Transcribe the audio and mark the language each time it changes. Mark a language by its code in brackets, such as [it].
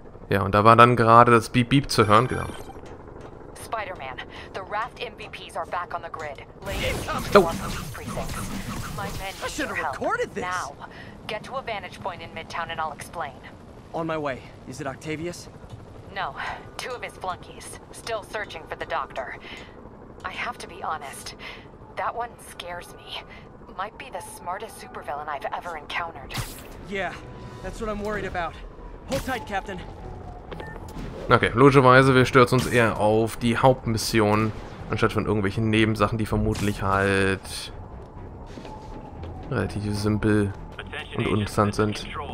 [de] Ja, und da war dann gerade das Beep Beep zu hören, genau. [en] Spider-Man, the Raft MVPs are back on the grid. I should have recorded this. Now, get to a vantage point in Midtown and I'll explain. On my way. Is it Octavius? No, two of his flunkies, still searching for the doctor. I have to be honest. That one scares me. Might be the smartest supervillain I've ever encountered. Yeah, that's what I'm worried about. Hold tight, Captain. [de] Okay, logischerweise, wir stürzen uns eher auf die Hauptmission, anstatt von irgendwelchen Nebensachen, die vermutlich halt relativ simpel und uninteressant sind.